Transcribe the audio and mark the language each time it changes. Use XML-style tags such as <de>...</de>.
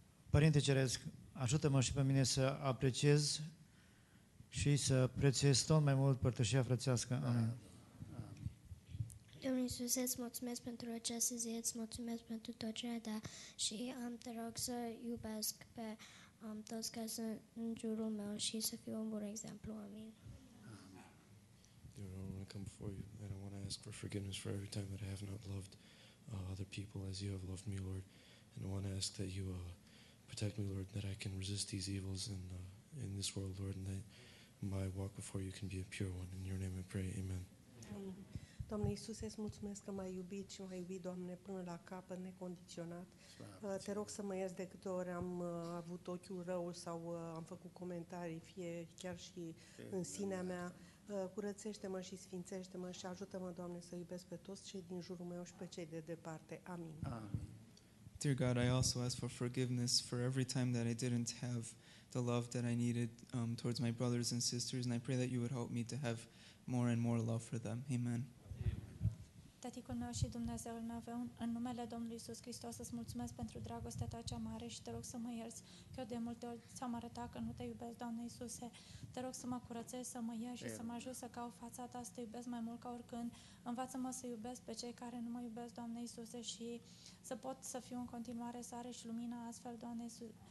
<ro>Părinte Ceresc, ajută-mă și pe mine să apreciez și să prețuiesc tot mai mult părtășia frățească. Amin. Doamne Iisuse, îți mulțumesc pentru această zi, îți mulțumesc pentru tot ce ai dat și te rog să iubesc pe toți care sunt în jurul meu și să fiu un bun exemplu. Amin.</ro> <en>Dear Lord, I want to come before You and I want to ask for forgiveness for every time that I have not loved other people as You have loved me, Lord. And I want to ask that You protect me, Lord, that I can resist these evils in this world, Lord, and that my walk before You can be a pure one. In Your name I pray, amen.</en> <ro>Doamne Iisuse, îți mulțumesc că m-ai iubit și m-ai iubit, Doamne, până la capăt, necondiționat. Te rog să mă ierți de câte ori am avut ochiul rău sau am făcut comentarii, fie chiar și în sinea mea. Curățește-mă și sfințește-mă și ajută-mă, Doamne, să iubesc pe toți cei din jurul meu și pe cei de departe. Amin. Amin.</ro> <en>Dear God, I also ask for forgiveness for every time that I didn't have the love that I needed towards my brothers and sisters, and I pray that You would help me to have more and more love for them. Amen.</en> <ro>Tăticul meu și Dumnezeul meu, în numele Domnului Iisus Hristos, îți mulțumesc pentru dragostea Ta cea mare și te rog să mă ierți că eu de multe ori ți-am arătat că nu Te iubesc, Doamne Iisuse. Te rog să mă curățești, să mă ierți și să mă ajut să caut fața Ta, să Te iubesc mai mult ca oricând. Învață-mă să iubesc pe cei care nu mă iubesc, Doamne Iisuse, și să pot să fiu în continuare sare și lumina astfel, Doamne Iisuse.</ro>